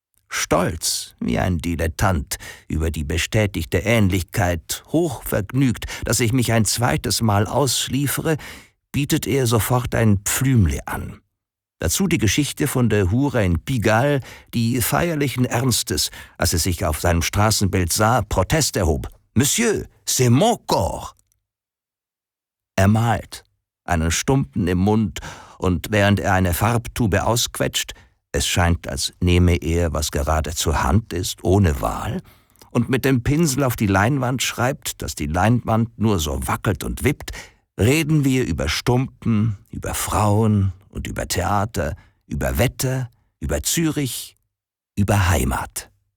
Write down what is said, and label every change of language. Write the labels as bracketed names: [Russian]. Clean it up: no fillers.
[German] Stolz, wie ein Dilettant, über die bestätigte Ähnlichkeit, hochvergnügt, dass ich mich ein zweites Mal ausschliefere, bietet er sofort ein Pflümli an. Dazu die Geschichte von der Hure in Pigalle, die feierlichen Ernstes, als er sich auf seinem Straßenbild sah, Protest erhob. [French] Monsieur, c'est mon corps! [German] Er malt, einen Stumpen im Mund, und während er eine Farbtube ausquetscht, es scheint, als nehme er, was gerade zur Hand ist, ohne Wahl, und mit dem Pinsel auf die Leinwand schreibt, dass die Leinwand nur so wackelt und wippt, reden wir über Stumpen, über Frauen und über Theater, über Wetter, über Zürich, über Heimat.